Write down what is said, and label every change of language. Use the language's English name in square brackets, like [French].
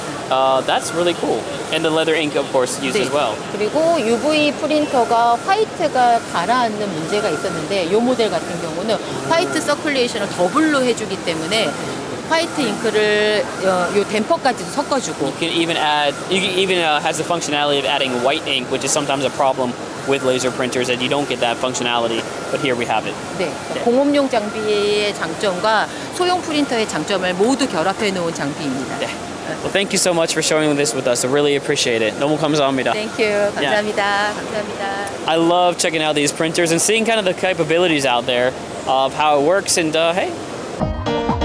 [English] That's really cool. And the leather ink, of course, used [Korean] 네. [English] as well. [Korean] 그리고 UV 프린터가 화이트가 가라앉는 문제가 있었는데 이 모델 같은 경우는 화이트 서큘레이션을 더블로 해주기 때문에 화이트 잉크를 요 댐퍼까지도 섞어주고. [English] You can even add. You can even has the functionality of adding white ink, which is sometimes a problem with laser printers, and you don't get that functionality. But here we have it. [Korean] 네, 공업용 장비의 장점과 소형 프린터의 장점을 모두 결합해 놓은 장비입니다. 네. [English] Well, thank you so much for sharing this with us. I really appreciate it. [Korean] 너무 감사합니다. [English] Thank you. [Korean] 감사합니다. [English] Yeah. [Korean] 감사합니다. [English] I love checking out these printers and seeing kind of the capabilities out there of how it works. And hey.